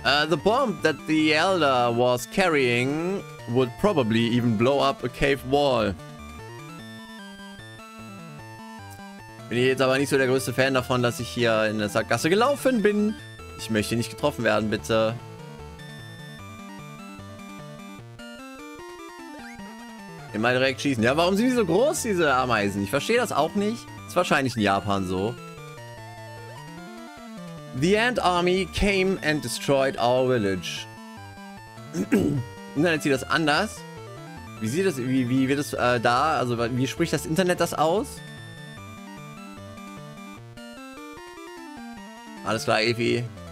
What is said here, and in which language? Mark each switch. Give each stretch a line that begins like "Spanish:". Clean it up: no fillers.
English: The bomb that the elder was carrying would probably even blow up a cave wall.
German: Bin ich jetzt aber nicht so der größte Fan davon, dass ich hier in der Sackgasse gelaufen bin. Ich möchte nicht getroffen werden, bitte. Immer direkt schießen. Ja, warum sind die so groß, diese Ameisen? Ich verstehe das auch nicht. Ist wahrscheinlich in Japan so.
English: The Ant Army came and destroyed our village.
German: Internet sieht das anders. Wie sieht das, wie wird das da, also wie spricht das Internet das aus? Alles klar, Evi.